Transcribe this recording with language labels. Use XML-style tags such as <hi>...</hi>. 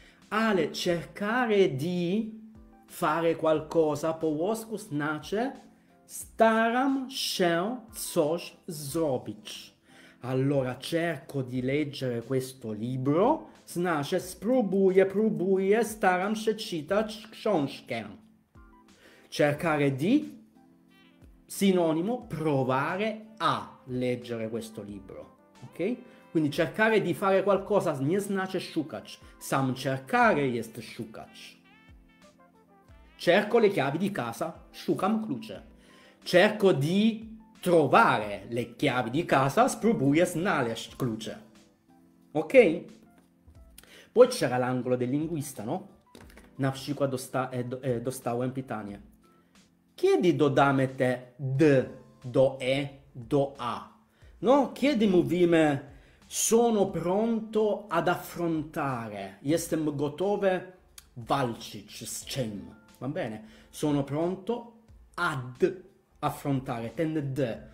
<pl>Ale cercare di fare qualcosa po włosku znaczy staram się coś zrobić.</pl> <it>Allora cerco di leggere questo libro znaczy spróbuję, staram się czytać książkę. Cercare di, sinonimo, provare a leggere questo libro. Ok? Quindi cercare di fare qualcosa nie znaczy szukać. Sam cercare jest szukać. Cerco le chiavi di casa, szukam klucze. Cerco di trovare le chiavi di casa, spróbuję znaleźć klucze. Ok? Poi c'era l'angolo del linguista, no?</it> <pl>Na przykład dostałem pytanie. Kiedy dodamy te d, do e, do a? No? Kiedy mówimy sono pronto ad affrontare, jestem gotowy walczyć z czym?</pl> <it>Va bene? Sono pronto ad affrontare, ten d.</it>